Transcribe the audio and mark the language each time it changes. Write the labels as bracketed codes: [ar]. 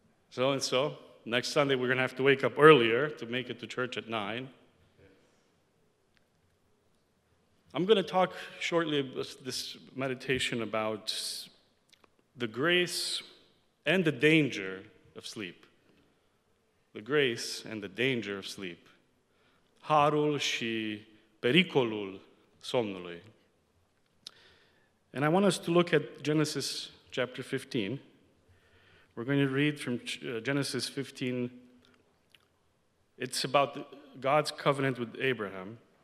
[en] So and so, next Sunday we're going to have to wake up earlier to make it to church at 9. I'm going to talk shortly about this meditation about the grace and the danger of sleep. The grace and the danger of sleep. [ro] Harul și pericolul somnului. [en] And I want us to look at Genesis chapter 15. We're going to read from Genesis 15. It's about God's covenant with Abraham.